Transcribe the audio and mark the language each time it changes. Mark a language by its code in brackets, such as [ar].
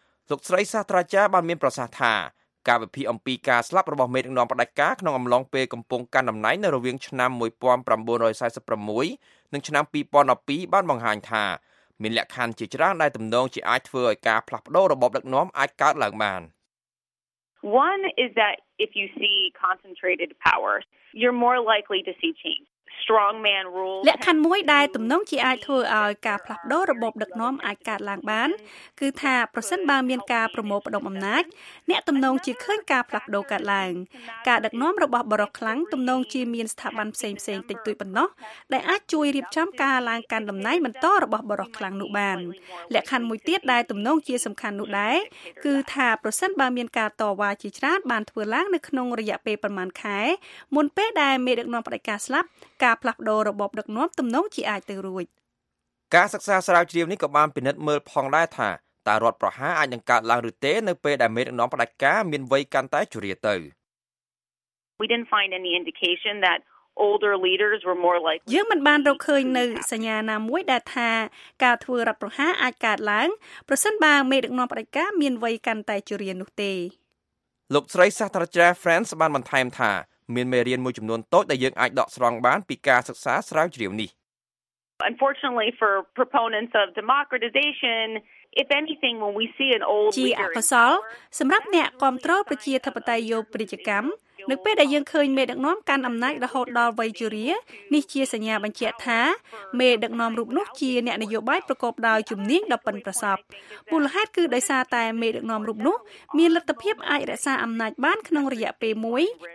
[km] លោកស្រីសាស្ត្រាចារ្យបានមានប្រសាសន៍ថាការវិភាគអំពីការស្លាប់របស់មេដឹកនាំផ្ដាច់ការក្នុងអំឡុងពេលកំពុងកាន់តំណែងនៅរវាងឆ្នាំ1946និងឆ្នាំ2012បានបង្ហាញថាមានលក្ខខណ្ឌជាច្រើនដែលទំនងជាអាចធ្វើឲ្យការផ្លាស់ប្ដូររបបដឹកនាំអាចកើតឡើងបាន [en] One is that if you see concentrated power you're more likely to see change. [km] លក្ខខណ្ឌមួយដែលទំនងជាអាចធ្វើឲ្យការផ្លាស់ប្ដូររបបដឹកនាំអាចកើតឡើងបានគឺថាប្រសិនបើមានការប្រមូលផ្ដុំអំណាចអ្នកទំនងជាឃើញការផ្លាស់ប្ដូរកើតឡើង ការដឹកនាំរបស់បរិសុទ្ធខ្លាំងទំនងជាមានស្ថាប័នផ្សេងផ្សេងតិចតួចប៉ុណ្ណោះដែលអាចជួយរៀបចំការឡើងកាន់តំណែងបន្តរបស់បរិសុទ្ធខ្លាំងនោះបានលក្ខខណ្ឌមួយទៀតដែលទំនងជាសំខាន់នោះដែរគឺថាប្រសិនបើមានការតវ៉ាជាច្រើនបានធ្វើឡើងនៅក្នុងរយៈពេលប្រមាណខែមុនពេលដែលមេដឹកនាំផ្ដាច់ការស្លាប់ការផ្លាស់ប្ដូររបបដឹកនាំទំនងជាអាចទៅរួច ការសិក្សាស្រាវជ្រាវនេះក៏បានពិនិត្យមើលផងដែរថាតើរដ្ឋប្រហារអាចនឹងកើតឡើងឬទេនៅពេលដែលមេដឹកនាំផ្ដាច់ការមានវ័យកាន់តែជរាទៅ [en] We didn't find any indication thatOlder leaders were more likely. [km] យើងមិនបានរកឃើញនៅសញ្ញាណាមួយដែលថាការធ្វើរដ្ឋប្រហារអាចកើតឡើងប្រសិនបើមេដឹកនាំផ្ដាច់ការមានវ័យកាន់តែជរានោះទេ លោកស្រីសាស្ត្រាចារ្យ Friends បានបន្ថែមថាមានមេរៀនមួយចំនួនតូចដែលយើងអាចដកស្រង់បានពីការសិក្សាស្រាវជ្រាវនេះ [en] Unfortunately for proponents of democratization if anything when we see an old leader [km] សម្រាប់អ្នកគ្រប់គ្រងប្រជាធិបតេយ្យយោប្រជាកម្មនៅពេលដែលយើងឃើញមេដឹកនាំកាន់អំណាចរហូតដល់វ័យជរានេះជាសញ្ញាបញ្ជាក់ថាមេដឹកនាំរូបនោះជាអ្នកនយោបាយប្រកបដោយជំនាញដ៏ប៉ិនប្រសប់មូលហេតុគឺដោយសារតែមេដឹកនាំរូបនោះមានលទ្ធភាពអាចរក្សាអំណាចបានក្នុងរយៈពេលមួយ